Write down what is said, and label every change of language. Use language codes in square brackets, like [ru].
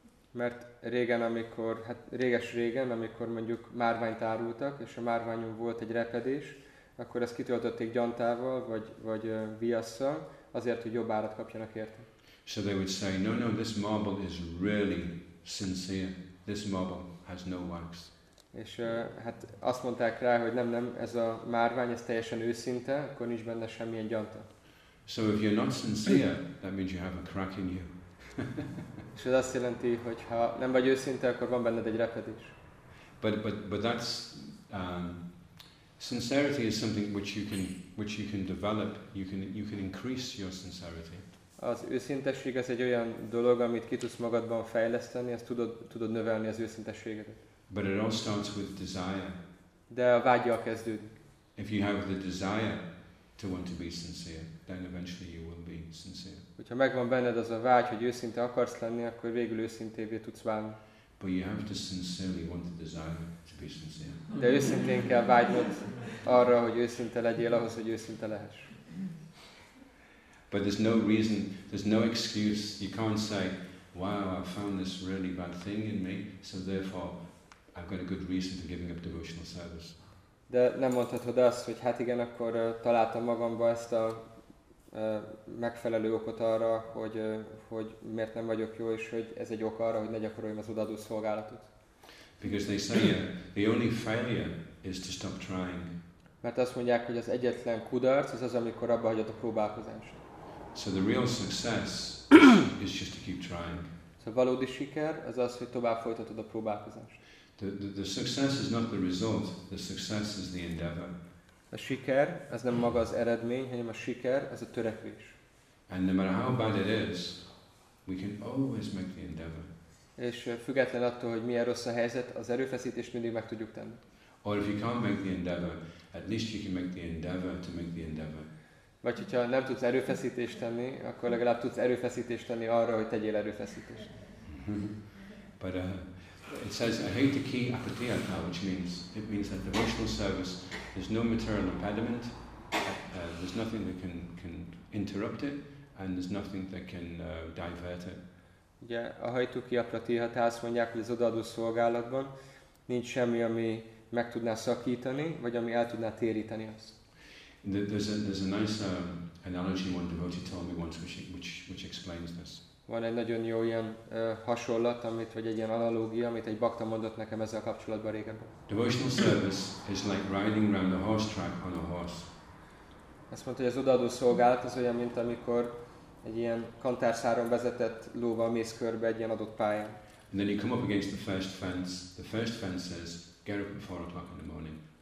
[hu] Mert régen, amikor, hát réges-régen, amikor mondjuk márványt árultak, és a márványon volt egy repedés, akkor ezt kitöltötték gyantával, vagy viasszal, azért, hogy jobb árat kapjanak érte. [en] So they would say, no, this marble is really sincere. This marble has no wax. [hu] És hát azt mondták rá, hogy nem, ez a márvány, ez teljesen őszinte, akkor nincs benne semmilyen gyanta. [en] So if you're not sincere, that means you have a crack in you. [hu] És ez azt jelenti, hogy ha nem vagy őszinte, akkor van benned egy repedés. [en] But that's sincerity is something which you can develop. You can increase your sincerity. [hu] Az őszinteség ez egy olyan dolog, amit ki tudsz magadban fejleszteni, ezt tudod növelni az őszinteségedet. [en] But it all starts with desire. [hu] De a vágyal kezdődik. [en] If you have the desire to want to be sincere, then eventually you will be sincere. [hu] Hogyha megvan benned az a vágy, hogy őszinte akarsz lenni, akkor végül őszintévé tudsz válni. [en] But you have to sincerely want the desire to be sincere. [hu] De őszintén kell vágynod arra, hogy őszinte legyél ahhoz, hogy őszinte lehess. [en] But there's no reason, there's no excuse. You can't say, wow, I found this really bad thing in me, so therefore I've got a good reason for giving up devotional service. [hu] De nem mondhatod azt, hogy hát igen, akkor találtam magamban ezt a megfelelő okot arra, hogy miért nem vagyok jó, és hogy ez egy ok arra, hogy ne gyakoroljam az odaadó szolgálatot. [en] Because they say the only failure is to stop trying. [hu] Mert azt mondják, hogy az egyetlen kudarc az, amikor abba hagyod a próbálkozást. [en] So the real success is just to keep trying. [hu] So valódi siker az, hogy tovább folytatod a próbálkozást. [en] The success is not the result. The success is the endeavor. [hu] A siker az nem maga az eredmény, hanem a siker az a törekvés. [en] And no matter how bad it is, we can always make the endeavor. [hu] És független attól, hogy milyen rossz a helyzet, az erőfeszítést mindig meg tudjuk tenni. [en] Or if you can't make the endeavor, at least you can make the endeavor to make the endeavor. [hu] Vagy hogyha nem tudsz erőfeszítést tenni, akkor legalább tudsz erőfeszítést tenni arra, hogy tegyél erőfeszítést. [en] But it says ahetiki apatiyata, which means it means that devotional service, there's no material impediment, there's nothing that can interrupt it, and there's nothing that can divert it. [hu] Ugye ahetiki apatiyata, azt mondják, hogy az odaadó szolgálatban nincs semmi, ami meg tudná szakítani, vagy ami el tudná téríteni azt. [en] There's a nice analogy one devotee told me once which explains this. [hu] Van egy nagyon jó ilyen hasonlat, amit vagy egy ilyen analógia, amit egy bakta mondott nekem ezzel kapcsolatban régen. [en] Devotional service is like riding around the horse track on a horse. [hu] Azt mondta, hogy az odaadó szolgálat az olyan, mint amikor egy ilyen kantárszáron vezetett lóval mész körbe egy ilyen adott pályán. [en] And then you come up against the first fence. The first fence says, get up at 4 o'clock in the morning.